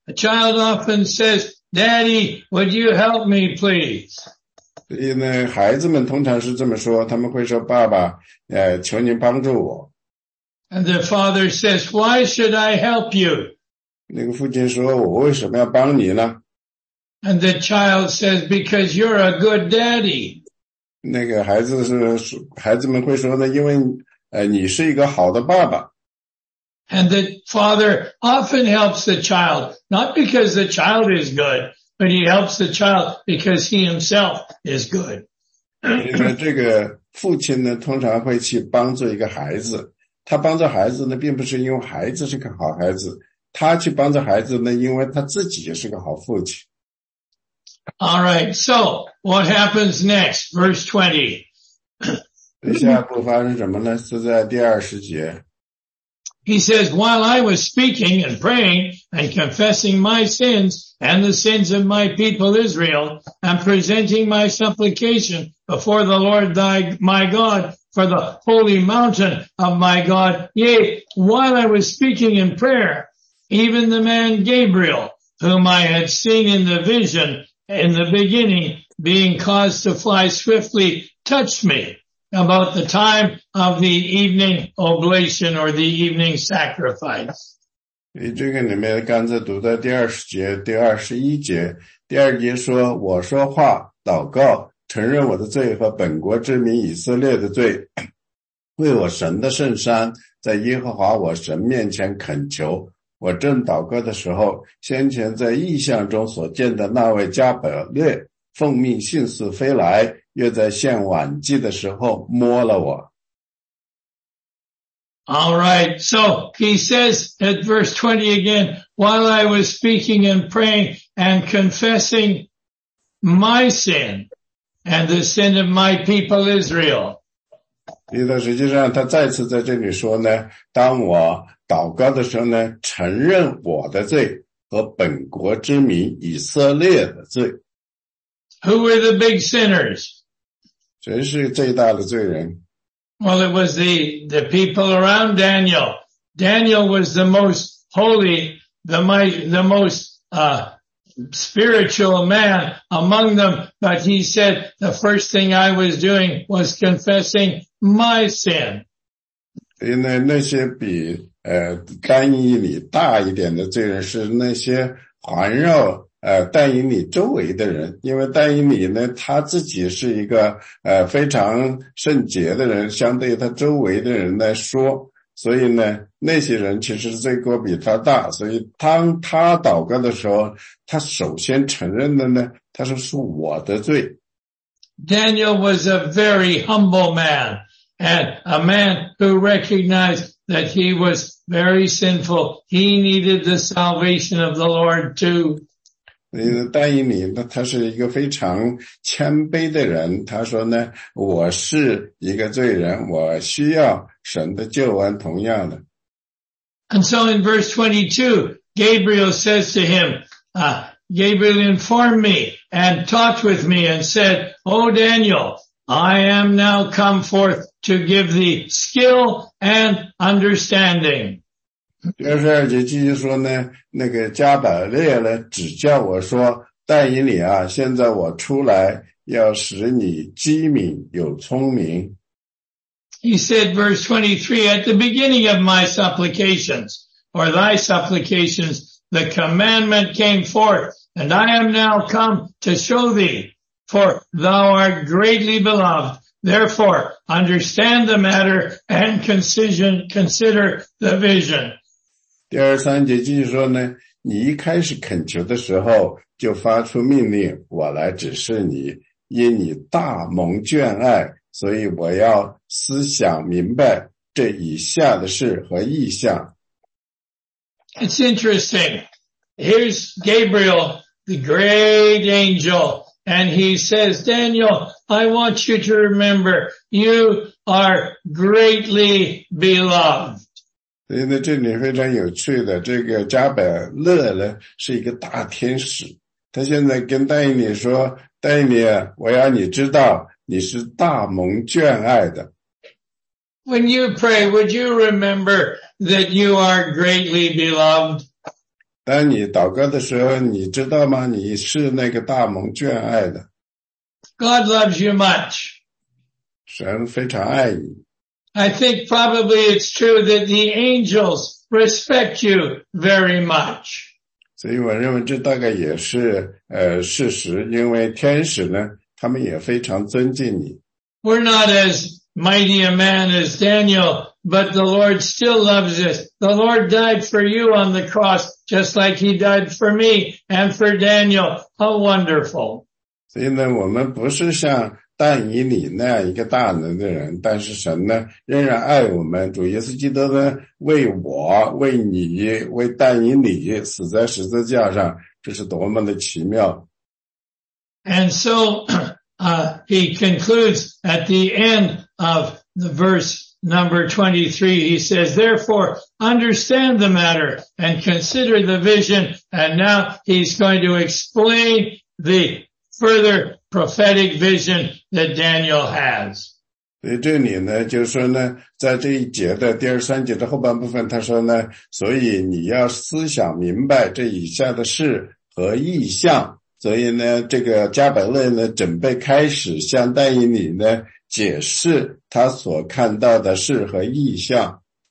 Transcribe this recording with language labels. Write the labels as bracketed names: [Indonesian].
[English] A child often says, "Daddy, would you help me, please?" [Chinese] 所以呢，孩子们通常是这么说，他们会说：“爸爸，求您帮助我。” [English] And the father says, "Why should I help you?" [Chinese] 那个父亲说，我为什么要帮你呢？ [English] And the child says, "Because you're a good daddy." [Chinese] 那个孩子们会说呢，因为你是一个好的爸爸。 [English] And the father often helps the child, not because the child is good, but he helps the child because he himself is good. [Chinese] 这个父亲呢，通常会去帮助一个孩子。他帮助孩子呢，并不是因为孩子是个好孩子，他去帮助孩子呢，因为他自己也是个好父亲。 [English] All right, so what happens next? Verse 20. [Chinese] 接下来不发生什么呢？是在第二十节。 [English] He says, "While I was speaking and praying and confessing my sins and the sins of my people Israel and presenting my supplication before the Lord thy my God." For the holy mountain of my God. Yea, while I was speaking in prayer, even the man Gabriel, whom I had seen in the vision in the beginning, being caused to fly swiftly, touched me about the time of the evening oblation or the evening sacrifice. [Chinese] 这个里面刚才读的第二十节、第二十一节，第二节说，我说话，祷告。承认我的罪和本国之民以色列的罪，为我神的圣山，在耶和华我神面前恳求。我正祷告的时候，先前在异象中所见的那位加百列，奉命信使飞来，又在献晚祭的时候摸了我。 [English] All right, so he says at verse 20 again, while I was speaking and praying and confessing my sin. And the sin of my people Israel. [Chinese] 因为实际上他再次在这里说呢，当我祷告的时候呢，承认我的罪和本国之民以色列的罪。 [English] Who were the big sinners? [Chinese] 谁是最大的罪人？ [English] Well, it was the people around Daniel. Daniel was the most holy, the most spiritual man among them, but he said, the first thing I was doing was confessing my sin. [Chinese] 那些比丹以理大一点的罪人是那些环绕丹以理周围的人，因为丹以理呢，他自己是一个非常圣洁的人，相对他周围的人来说，所以呢，那些人其实罪过比他大，所以当他祷告的时候，他首先承认的呢，他说是我的罪。 [English] Daniel was a very humble man, and a man who recognized that he was very sinful. He needed the salvation of the Lord too. [Chinese] 丹以理他是一个非常谦卑的人，他说呢，我是一个罪人，我需要神的救恩，同样的。 [English] And so in verse 22, Gabriel says to him, Gabriel informed me and talked with me and said, Oh, Daniel, I am now come forth to give thee skill and understanding. [Chinese] 第二十二节继续说呢，那个加百列呢指教我说，但以理啊，现在我出来要使你机敏有聪明。 [English] He said, verse 23, at the beginning of my supplications, or thy supplications, the commandment came forth, and I am now come to show thee, for thou art greatly beloved. Therefore, understand the matter and consider the vision. [Chinese] 第二三节继续说呢，你一开始恳求的时候就发出命令，我来指示你，因你大蒙眷爱，所以我要思想明白这以下的事和意象。 [English] It's interesting. Here's Gabriel, the great angel, and he says, Daniel, I want you to remember, you are greatly beloved. [Chinese] 所以呢，这里非常有趣的，这个加百勒呢是一个大天使，他现在跟戴尼说，戴尼，我要你知道你是大蒙眷爱的。 [English] When you pray, would you remember that you are greatly beloved? [Chinese] 当你祷告的时候，你知道吗？你是那个大蒙眷爱的。 [English] God loves you much. [Chinese] 神非常爱你。 [English] I think probably it's true that the angels respect you very much. [Chinese] 所以我认为这大概也是事实，因为天使呢，他们也非常尊敬你。 [English] We're not as mighty a man as Daniel, but the Lord still loves us. The Lord died for you on the cross, just like he died for me and for Daniel. How wonderful. [Chinese] 所以呢，我们不是像但以理那样一个大能的人，但是神呢仍然爱我们，主耶稣基督呢为我、为你、为但以理死在十字架上，这是多么的奇妙。 [English] And so, he concludes at the end of the verse number 23, he says, therefore, understand the matter and consider the vision, and now he's going to explain the further prophetic vision that Daniel has. [Chinese] 所以这里呢，就是说呢，在这一节的第二三节的后半部分，他说呢，所以你要思想明白这以下的事和意象。所以呢，这个加百勒呢，准备开始向但以理呢解释他所看到的事和意象。